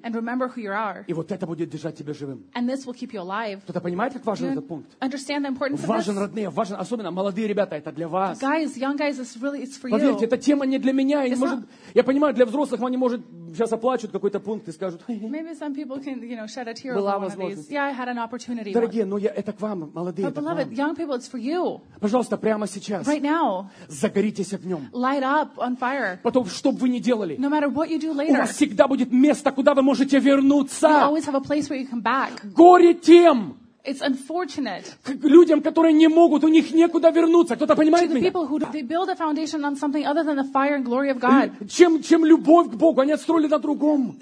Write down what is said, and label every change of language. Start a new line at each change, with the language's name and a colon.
English: And remember who you are.
Russian: И вот это будет держать тебя живым.
English: And this will keep you alive.
Russian: Кто-то понимает, как важен этот пункт?
English: Understand the importance of this?
Russian: Важен, родные, важен, особенно молодые ребята, это для вас.
English: Guys, young guys, it's really, it's for
Russian: поверьте,
English: you.
Russian: Эта тема не для меня. Не может,
English: not...
Russian: Я понимаю, для взрослых они, может, сейчас оплачут какой-то пункт и скажут...
English: Maybe some people can, you know, shed a tear over one of these. Yeah, I had an opportunity.
Russian: Дорогие, но это к вам, молодые.
English: But beloved, young people, it's for you.
Russian: Пожалуйста, прямо сейчас.
English: Right now.
Russian: Загоритесь огнем.
English: Light up on fire.
Russian: Потом, что бы вы ни делали.
English: No matter what you do later.
Russian: У вас всегда будет место, куда вы можете вернуться.
English: You always have a place where you can back.
Russian: Горе тем.
English: It's unfortunate.
Russian: К людям, которые не могут, у них некуда вернуться. Кто-то понимает меня?
English: To the people who they build a foundation on something other than the fire and glory of God.
Russian: Чем любовь к Богу, они отстроили на другом.